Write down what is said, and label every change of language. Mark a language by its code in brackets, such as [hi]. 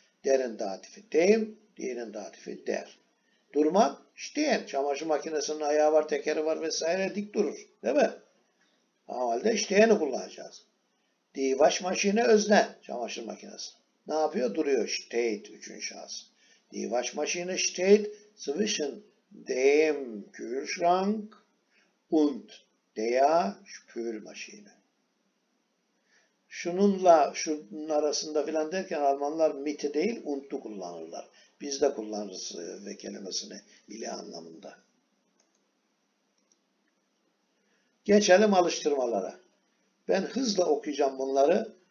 [tr] Der'in datifi deyim, diğerinin datifi der. Durmak, stehen. Çamaşır makinesinin ayağı var, tekeri var vesaire, dik durur. Değil mi? O halde stehen'i kullanacağız. Die Waschmaschine özne, çamaşır makinesi. Ne yapıyor? Duruyor. Steht, üçüncü şahıs. [de] Die Waschmaschine steht zwischen dem Kühlschrank und der Spülmaschine. [tr] Şununla şunun arasında filan derken Almanlar mit'i değil und'u kullanırlar. Biz de kullanırız ve kelimesini ile anlamında. Geçelim alıştırmalara. Ben hızla okuyacağım bunları.